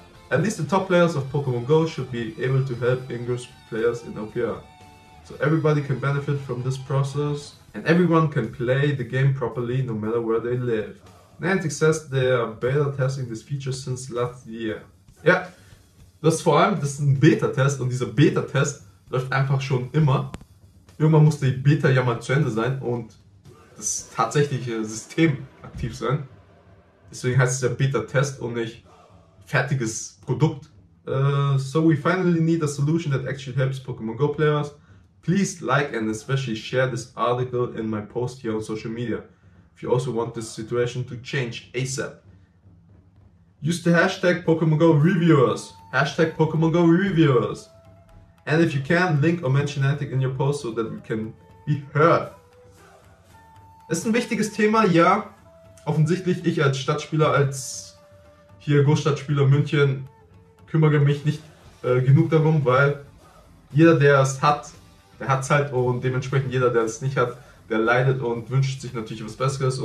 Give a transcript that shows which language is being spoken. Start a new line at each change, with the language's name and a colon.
English: At least the top players of Pokemon Go should be able to help Ingress players in OPR. So everybody can benefit from this process and everyone can play the game properly no matter where they live. Niantic says they are beta testing this feature since last year.
German: Ja, das ist vor allem, das ist ein Beta-Test und dieser Beta-Test läuft einfach schon immer. Irgendwann muss die Beta ja mal zu Ende sein und das tatsächliche System aktiv sein. Deswegen heißt es ja Beta-Test und nicht fertiges Produkt.
English: So we finally need a solution that actually helps Pokémon Go players. Please like and especially share this article in my post here on social media. If you also want this situation to change ASAP. Use the hashtag Pokemon Go Reviewers. Hashtag Pokemon Go Reviewers. And if you can, link or mention Niantic in your post so that we can be heard.
German: Es ist ein wichtiges Thema, ja. Offensichtlich, ich als Stadtspieler, als hier Großstadtspieler München, kümmere mich nicht genug darum, weil jeder, der es hat, der hat es halt, und dementsprechend jeder, der es nicht hat, der leidet und wünscht sich natürlich was Besseres.